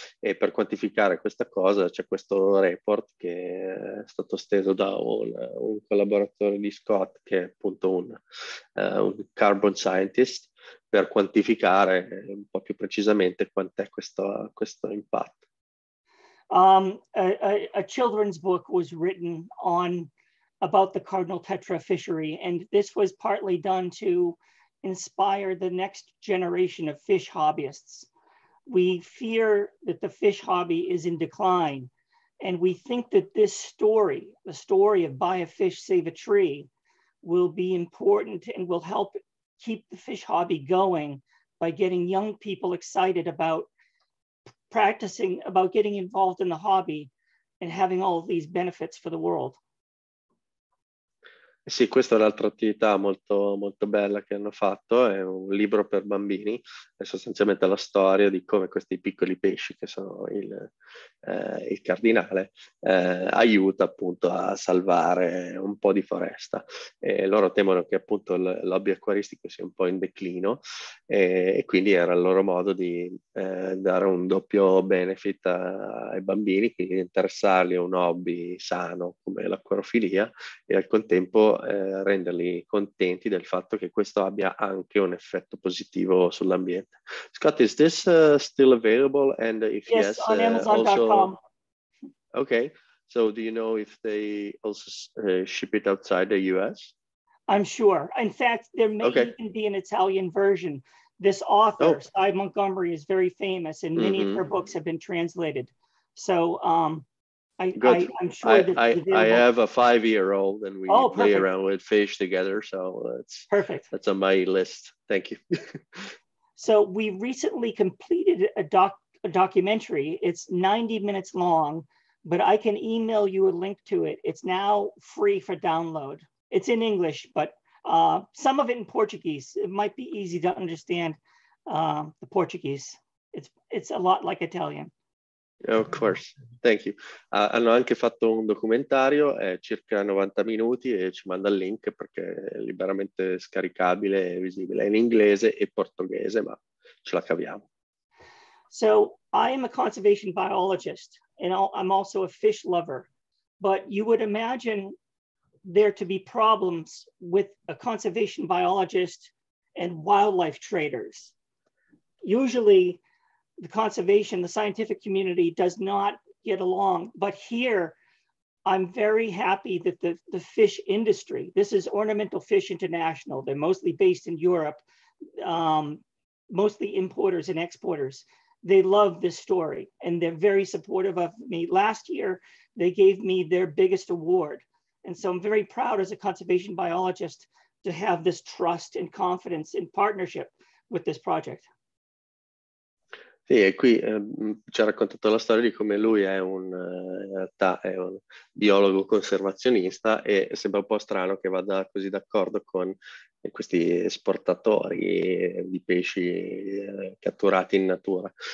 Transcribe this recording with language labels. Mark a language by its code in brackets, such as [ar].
[it] E per quantificare questa cosa c'è questo report che è stato steso da un collaboratore di Scott, che è appunto un carbon scientist, per quantificare un po' più precisamente quant'è questo impatto. [en] A children's book was written on about the Cardinal Tetra fishery. And this was partly done to inspire the next generation of fish hobbyists. We fear that the fish hobby is in decline. And we think that this story, the story of buy a fish, save a tree, will be important and will help keep the fish hobby going by getting young people excited about practicing, about getting involved in the hobby and having all of these benefits for the world. [it] Sì, questa è un'altra attività molto, molto bella che hanno fatto, è un libro per bambini, è sostanzialmente la storia di come questi piccoli pesci, che sono il cardinale, aiuta appunto a salvare un po' di foresta. E loro temono che appunto il lobby acquaristico sia un po' in declino, e quindi era il loro modo di dare un doppio benefit ai bambini, quindi interessarli a un hobby sano come l'acquarofilia, e al contempo renderli contenti del fatto che questo abbia anche un effetto positivo sull'ambiente. [en] Scott, is this still available? And if yes, on Amazon.com. Okay, so do you know if they also ship it outside the US? I'm sure. In fact, there may even be an Italian version. This author, Cy Montgomery, is very famous, and many of her books have been translated. So I'm sure that I have a 5-year-old and we play around with fish together. So that's perfect. That's on my list. Thank you. So we recently completed a documentary. It's 90 minutes long, but I can email you a link to it. It's now free for download. It's in English, but some of it in Portuguese. It might be easy to understand the Portuguese. It's a lot like Italian. Of course, thank you. [it] Hanno anche fatto un documentario, è circa 90 minuti e ci manda il link perché è liberamente scaricabile e visibile in inglese e portoghese, ma ce la caviamo. [en] So I am a conservation biologist and I'm also a fish lover, but you would imagine there to be problems with a conservation biologist and wildlife traders. Usually the conservation, the scientific community does not get along, but here I'm very happy that the fish industry, this is Ornamental Fish International, they're mostly based in Europe, mostly importers and exporters. They love this story and they're very supportive of me. Last year, they gave me their biggest award. And so I'm very proud as a conservation biologist to have this trust and confidence in partnership with this project. [it] Sì, e qui ci ha raccontato la storia di come lui è un, in realtà è un biologo conservazionista e sembra un po' strano che vada così d'accordo con questi esportatori di pesci catturati in natura.